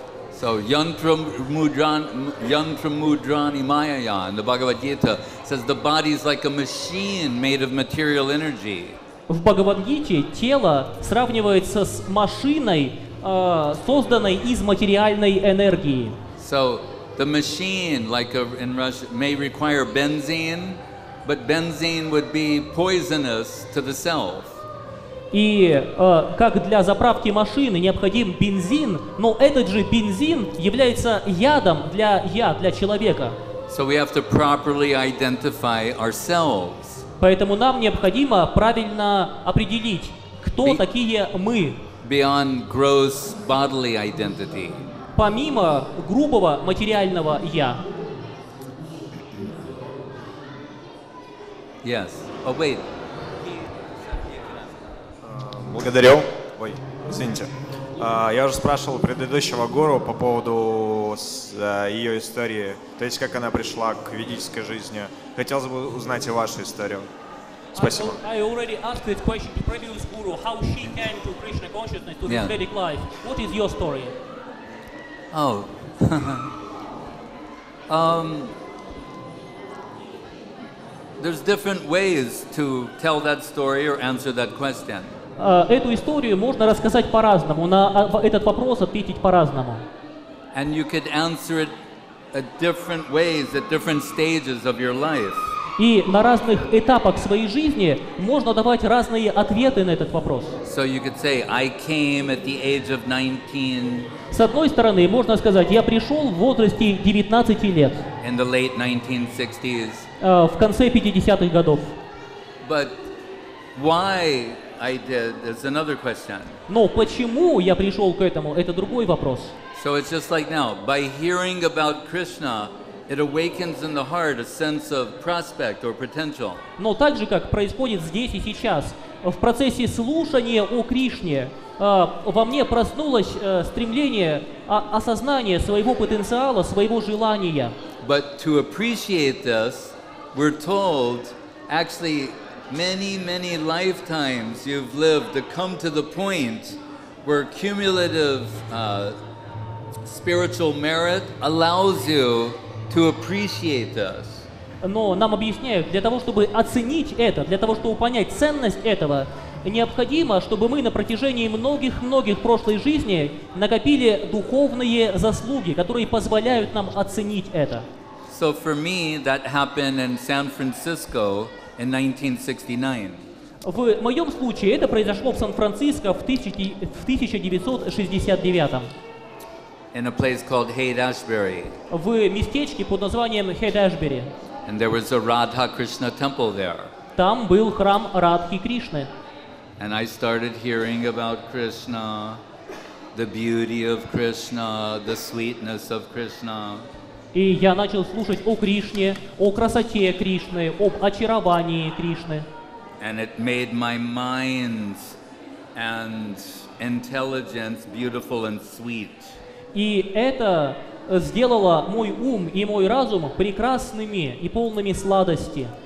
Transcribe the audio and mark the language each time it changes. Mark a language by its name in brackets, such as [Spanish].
[English] So [Sanskrit] yantra mudrani maya [English] in the Bhagavad Gita says the body is like a machine made of material energy. [Russian] В Бхагавад Гите тело сравнивается с машиной, созданной из материальной энергии. [English] So the machine, like in Russia, may require benzene, but benzene would be poisonous to the self. [Russian] И как для заправки машины необходим бензин, но этот же бензин является ядом для для человека. [English] So we have to properly identify ourselves. [Russian] Поэтому нам необходимо правильно определить, кто такие мы. [English] Beyond gross bodily identity. [Russian] Помимо грубого материального я. [English] Yes. Oh, wait. [Russian] Благодарю. Ой, извините. Я уже спрашивал предыдущего гуру по поводу ее истории, то есть как она пришла к ведической жизни. Хотелось бы узнать и вашу историю. Спасибо. [English] I already asked this question to previous guru, how she came to Krishna consciousness, to the Vedic life. What is your story? Oh. There's different ways to tell that story or answer that question. [Russian] Эту историю можно рассказать по-разному, на этот вопрос ответить по-разному. [English] And you could answer it at different ways, at different stages of your life. [Russian] И на разных этапах своей жизни можно давать разные ответы на этот вопрос. [English] So you could say, I came at the age of 19. [Russian] С одной стороны, можно сказать, я пришел в возрасте 19 лет. [English] In the late 1960s. [Russian] В конце 50-х годов. [English] But why I did, that's another question. [Russian] Но почему я пришел к этому, это другой вопрос. [English] So it's just like now, by hearing about Krishna, it awakens in the heart a sense of prospect or potential. [Russian] Но так же, как происходит здесь и сейчас, в процессе слушания о Кришне, во мне проснулось стремление, осознание своего потенциала, своего желания. [English] But to appreciate this, we're told, actually, many, many lifetimes you've lived to come to the point where cumulative spiritual merit allows you to appreciate this. [Russian] Но нам объясняют, для того, чтобы оценить это, для того, чтобы понять ценность этого, необходимо, чтобы мы на протяжении многих-многих прошлой жизни накопили духовные заслуги, которые позволяют нам оценить это. [English] So for me, that happened in San Francisco. In 1969. [Russian] В моем случае это произошло в Сан-Франциско в 1969. [English] In a place called Haight-Ashbury. [Russian] В местечке под названием Haight-Ashbury. [English] And there was a Radha Krishna temple there. [Russian] Там был храм Радхи Кришны. [English] And I started hearing about Krishna. the beauty of Krishna, the sweetness of Krishna. [Russian] И я начал слушать о Кришне, о красоте Кришны, об очаровании Кришны. [English] And it made my mind and intelligence beautiful and sweet. [Russian] И это сделало мой ум и мой разум прекрасными и полными сладости.